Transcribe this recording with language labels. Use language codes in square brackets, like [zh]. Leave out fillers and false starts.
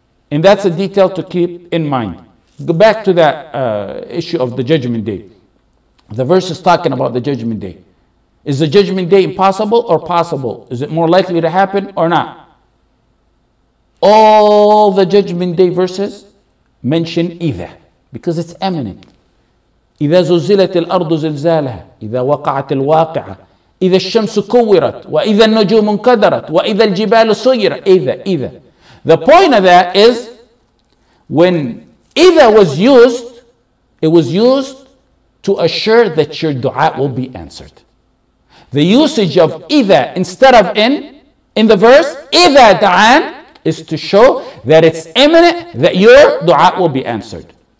[en] And that's a detail to keep in mind. Go back to that issue of the judgment day. The verse is talking about the judgment day. Is the judgment day impossible or possible? Is it more likely to happen or not? All the judgment day verses mention إذا, because it's imminent. [ar] إذا زلزلت الأرض زلزالها, إذا وقعت الواقعة, إذا الشمس كورت, وإذا النجوم انكدرت, وإذا الجبال سير, إذا. [en] The point of that is, when إذا was used, it was used to assure that your dua will be answered. The usage of إذا instead of in the verse, [ar] إذا دعان, [en] is to show that it's imminent that your dua will be answered.